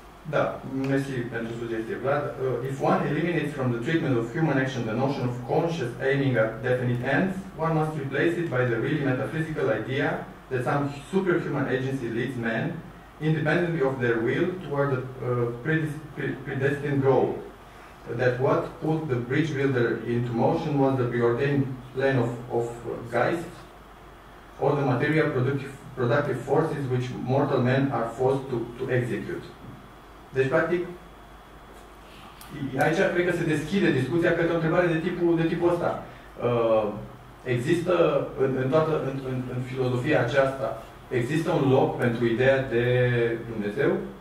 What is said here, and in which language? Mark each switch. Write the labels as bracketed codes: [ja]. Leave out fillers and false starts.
[ro] Da, mersi pentru sugestie, Vlad. [en] If one eliminates from the treatment of human action the notion of conscious aiming at definite ends, one must replace it by the really metaphysical idea that some superhuman agency leads men, independently of their will, toward a predestined goal. That what put the bridge builder into motion was the preordained plan of Geist, or the material productive forces which mortal men are forced to execute. [ro] Deci, practic, aici cred că se deschide discuția către o întrebare de tipul ăsta. Există în filozofia aceasta, există un loc pentru ideea de Dumnezeu?